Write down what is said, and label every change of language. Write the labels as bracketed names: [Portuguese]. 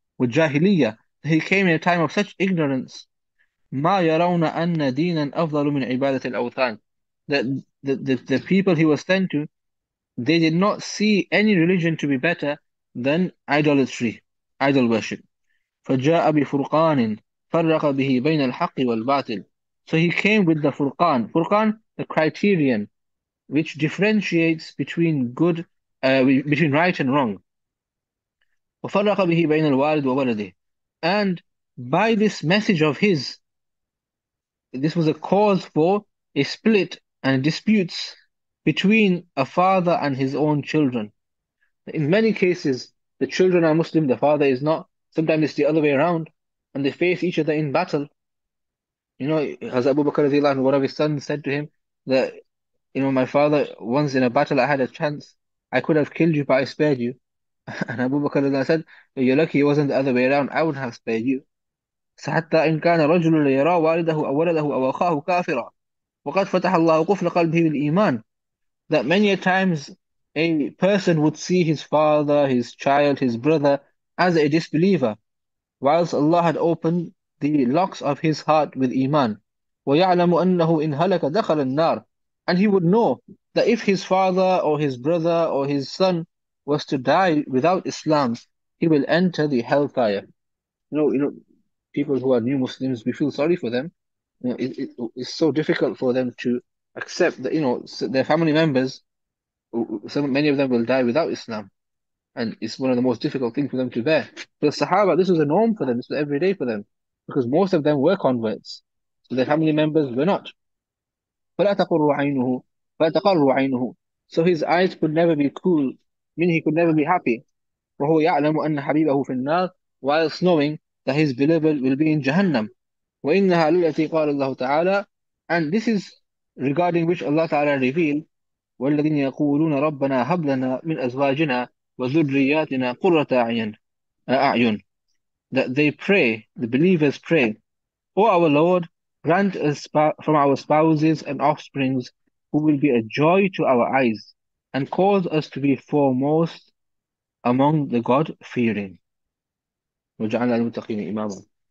[English] With Jahiliyyah, he came in a time of such ignorance. [Arabic] مَا يَرَوْنَ أَنَّ دِينًا أَفْضَلُ مِنْ عِبَادَةِ الْأَوْثَانِ, [English] that the people he was sent to, they did not see any religion to be better than idolatry, idol worship. [Arabic] فَجَاءَ بِفُرْقَانٍ فَرَّقَ بِهِ بَيْنَ الْحَقِّ وَالْبَاطِلِ, [English] so he came with the Furqan. Furqan, the criterion which differentiates between good, between right and wrong. [Arabic] وَفَرَّقَ بِهِ بَيْنَ الْوَالِدِ وَوَلَدِهِ, [English] and by this message of his, this was a cause for a split and disputes between a father and his own children. In many cases, the children are Muslim, the father is not. Sometimes it's the other way around, and they face each other in battle. As Abu Bakr radiallahu anhu, one of his sons said to him that, my father, once in a battle I had a chance, I could have killed you, but I spared you. And Abu Bakr then said, you're lucky it wasn't the other way around, I wouldn't have spared you. [Arabic] حتى إن كان رجل ليرى والده أو ولده أو أخاه كافرا وقد فتح الله قفل قلبه بالإيمان. [English] That many a times a person would see his father, his child, his brother as a disbeliever, whilst Allah had opened the locks of his heart with Iman. [Arabic] ويعلم أنه إن هلك دخل النار. [English] And he would know that if his father or his brother or his son was to die without Islam, he will enter the hellfire. You know, people who are new Muslims, we feel sorry for them. You know, it's so difficult for them to accept that, you know, their family members, so many of them will die without Islam. And it's one of the most difficult things for them to bear. For the Sahaba, this was a norm for them, this was everyday for them, because most of them were converts. So their family members were not. [Arabic] فلا تقر عينه. [English] So his eyes could never be cool, meaning he could never be happy. [Arabic] وهو يعلم أن حبيبه في النار, [English] whilst knowing that his beloved will be in Jahannam. [Arabic] وإنها التي قال الله تعالى, [English] and this is regarding which Allah Ta'ala revealed, [Arabic] والذين يقولون ربنا هب لنا من أزواجنا وذرياتنا قرة أعين. [English] That they pray, the believers pray, O our Lord, grant us from our spouses and offsprings who will be a joy to our eyes, and cause us to be foremost among the God-fearing. [Arabic] وَجَعَلَ الْمُتَّقِينَ إِمَامًا.